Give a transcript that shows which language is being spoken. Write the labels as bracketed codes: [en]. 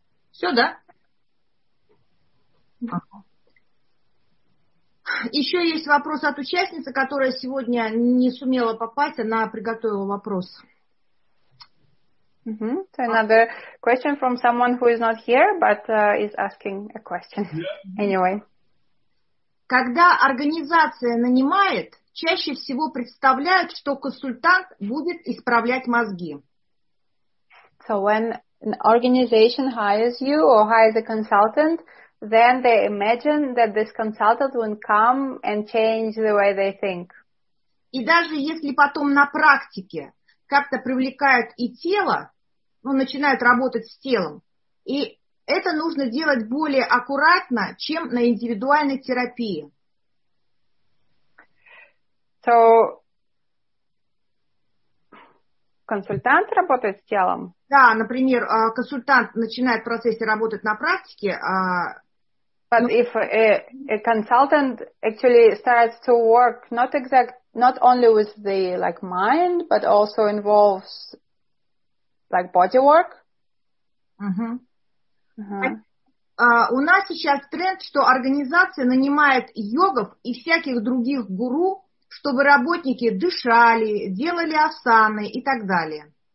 [ru] Все, да? Еще есть вопрос от участницы, которая сегодня не сумела попасть, она приготовила вопрос. [en] Another question from someone who is not here, but is asking a question. Anyway. [ru] Когда организация нанимает, чаще всего представляют, что консультант будет исправлять мозги. [en] So when an organization hires you or hires a consultant, then they imagine that this consultant will come and change the way they think. [ru] И даже если потом на практике как-то привлекают и тело, ну, начинают работать с телом, и это нужно делать более аккуратно, чем на индивидуальной терапии. So, консультант работает с телом? Да, например, консультант начинает в процессе работать на практике. [en] But if a consultant actually starts to work not only with the like mind, but also involves like body work. [ru] У нас сейчас тренд, что организация нанимает йогов и всяких других гуру, чтобы работники дышали, делали асаны и так далее.